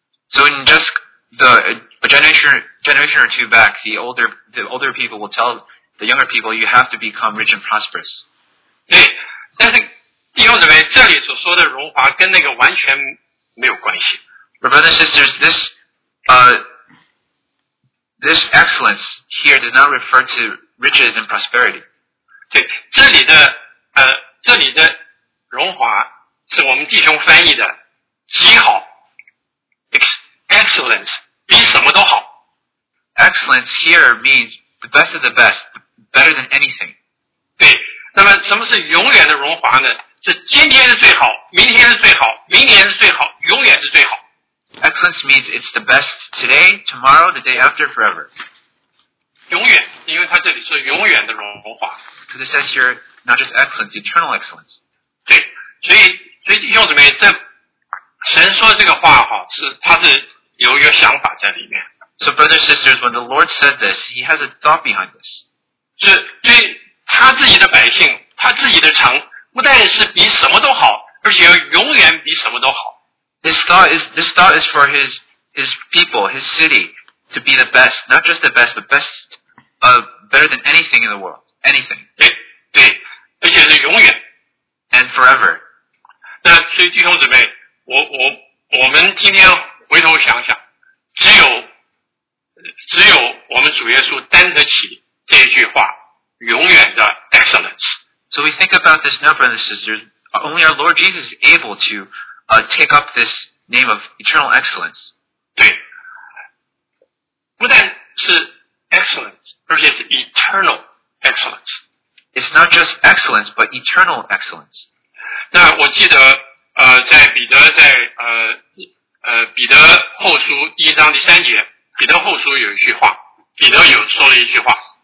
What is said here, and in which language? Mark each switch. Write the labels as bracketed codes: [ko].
[en] So in just a generation or two back, the older people will tell the younger people you have to become rich and prosperous. [zh] 对，但是弟兄姊妹，这里所说的荣华跟那个完全没有关系。 [en] Brothers and sisters, this excellence here does not refer to riches and prosperity. [zh] 对，这里的荣华是我们弟兄翻译的极好 excellence 比什么都好。 [en] Excellence here means the best of the best, better than anything. [zh] 对，那么什么是永远的荣华呢？是今天是最好，明天是最好，明年是最好，永远是最好。 [en] Excellence means it's the best today, tomorrow, the day after, forever. [zh] 永远，因为它这里是永远的荣华。 [en] Because it says here not just excellence, eternal excellence. [zh] 对，所以弟兄姊妹，这神说这个话哈，是他是有一个想法在里面。 [en] So brothers and sisters, when the Lord said this, He has a thought behind this. [zh] 是对他自己的百姓，他自己的城，不但是比什么都好，而且要永远比什么都好。 [en] This thought is for his people, his city, to be the best, not just the best, but best, better than anything in the world, anything. [zh] 对，而且是永远。 [en] And forever. [zh] 那所以弟兄姊妹，我们今天回头想想，只有我们主耶稣担得起这句话，永远的 excellence. [en] So we think about this now, brothers and sisters. Only our Lord Jesus is able to. Take up this name of eternal excellence. [zh] 对，不但是 excellence， 而且是 [en] eternal excellence. It's not just excellence, but eternal excellence. [zh] 那我记得，在彼得在彼得后书一章第三节，彼得后书有一句话，彼得有说了一句话。